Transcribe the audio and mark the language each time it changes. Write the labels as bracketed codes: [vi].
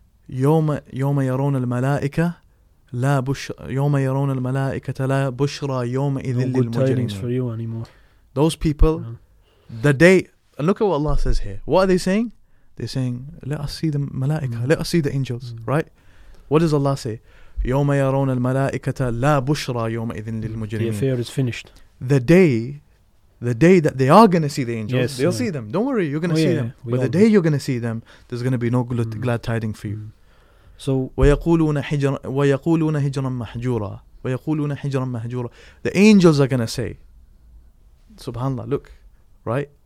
[ar] يَوْمَ يَرَوْنَ الْمَلَائِكَةُ لا بش يوم يرون الملائكة لا بشرى يوم إذ [en] no good tidings for you anymore. Those people, the day, and look at what Allah says here. What are they saying? They're saying, let us see the ملائكة, let us see the angels, right? What does Allah say? [ar] يوم يرون الملائكة لا بشرى يوم إذ للمجرمين. [en] The affair is finished. The day that they are going to see the angels, yes, they'll see them. Don't worry, you're going to see them. But the day you're going to see them, there's going to be no glad tiding for you. So [ar] وَيَقُولُونَ هِجْرًا مَحْجُورًا وَيَقُولُونَ هِجْرًا مَحْجُورًا. [en] The angels are going to say, subhanAllah, look, right?